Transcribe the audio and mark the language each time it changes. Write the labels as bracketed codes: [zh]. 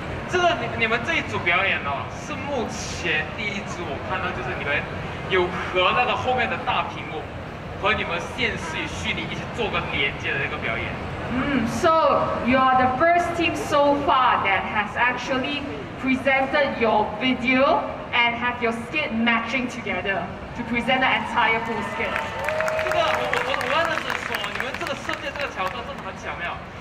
[zh] 这个你们这一组表演呢，是目前第一组我看到就是你们有和那个后面的大屏幕和你们现实虚拟一起做个连接的一个表演。So [en] you are the first team so far that has actually presented your video and have your skit matching together to present the entire full skit. [zh] 这个我主要是说，你们这个设计这个桥段真的很巧妙。